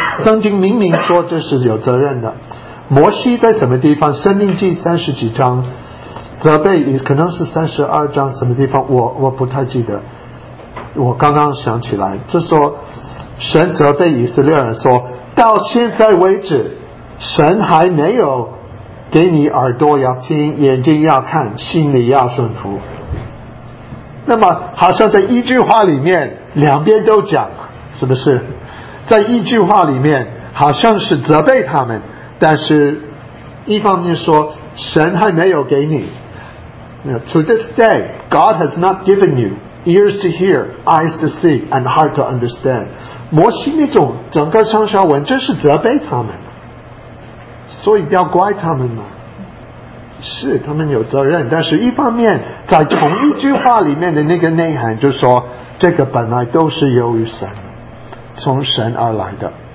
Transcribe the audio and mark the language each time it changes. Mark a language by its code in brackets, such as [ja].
[zh] 圣经明明说这是有责任的。摩西在什么地方，申命记三十几章责备，可能是三十二章什么地方，我不太记得，我刚刚想起来，就说神责备以色列人说，到现在为止神还没有给你耳朵要听，眼睛要看，心里要顺服。那么好像在一句话里面两边都讲，是不是？在一句话里面好像是责备他们，但是一方面说神还没有给你。 [en] To this day God has not given you ears to hear, eyes to see, and heart to understand。 [zh] 摩西那种整个上下文真是责备他们，所以要怪他们嘛？是，他们有责任，但是一方面在同一句话里面的那个内涵就说，这个本来都是由于神，从神而来的。